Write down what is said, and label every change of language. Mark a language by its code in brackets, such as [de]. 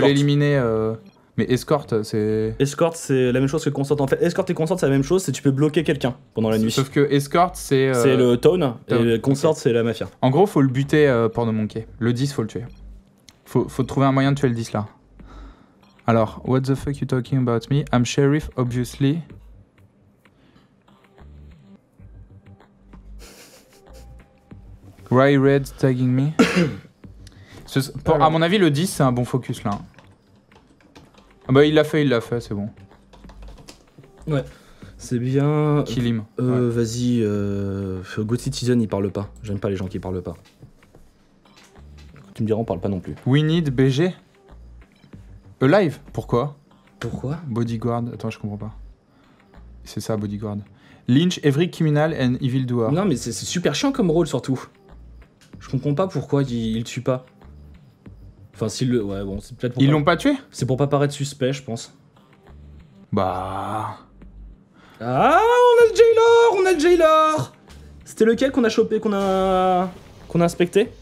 [fr] l'éliminer... Mais escort, c'est... Escort, c'est la même chose que consort. En fait, escort et consort, c'est la même chose, c'est que tu peux bloquer quelqu'un pendant la nuit. Sauf que escort, c'est... C'est le tone, et consort, c'est la mafia. En gros, faut le buter pour nous manquer. Le 10, faut le tuer. Faut trouver un moyen de tuer le 10, là. [en] Alors, what the fuck you talking about me? I'm sheriff, obviously. Rye Red tagging me. [fr] À mon avis, le 10, c'est un bon focus, là. Ah bah il l'a fait, c'est bon. Ouais. C'est bien. Kilim. Ouais. Vas-y, Good Citizen, il parle pas. J'aime pas les gens qui parlent pas. Tu me diras, on parle pas non plus. [en] We need BG. Alive, pourquoi? [fr] Pourquoi? Bodyguard, attends, je comprends pas. C'est ça, Bodyguard. [en] Lynch, every criminal and evil doer. [fr] Non, mais c'est super chiant comme rôle, surtout. Je comprends pas pourquoi il tue pas. Enfin, s'il le. Ouais, bon, c'est peut-être pour. Ils pas... l'ont pas tué? C'est pour pas paraître suspect, je pense. Bah. Ah, on a le Jailor! On a le Jailor! C'était lequel qu'on a chopé, qu'on a inspecté?